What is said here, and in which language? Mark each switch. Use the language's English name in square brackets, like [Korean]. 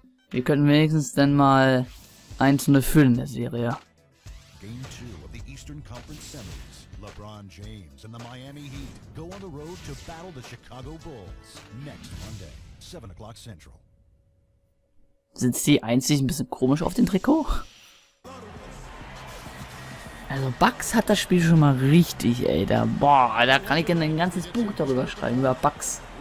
[German] Wir könnten wenigstens dann mal 1-0 führen in der Serie. [English] Game 2 of the Eastern Conference Semis. LeBron James and the Miami Heat go on the road to battle the Chicago Bulls. Next Monday, 7 o'clock Central. [German] Sind sie einzig ein bisschen komisch auf dem Trikot? Also Bucks hat das Spiel schon mal richtig, ey. Da kann ich ein ganzes Buch darüber schreiben, über Bucks.